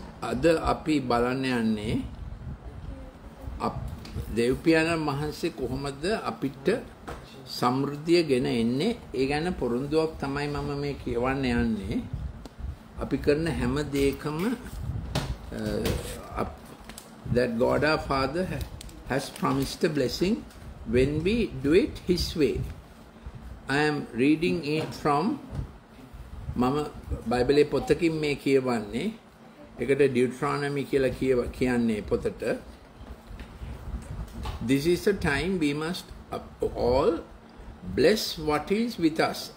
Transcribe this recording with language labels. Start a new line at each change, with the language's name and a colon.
Sinhala: අද අපි බලන්න යන්නේ දේවපියාණන් මහන්සේ කොහොමද අපිට සමෘද්ධිය ගෙන එන්නේ. ඒ ගැන පොරොන්දුවක් තමයි මම මේ කියවන්න යන්නේ. අපි කරන හැම දෙයකම
English: that God our Father has promised a blessing when we do it His way. I am reading it from
Sinhala: මම බයිබලේ පොතකින් මේ කියවන්නේ. ඒකට Deuteronomy කියලා කියන්නේ පොතට.
English: This is the time we must all bless what is with us.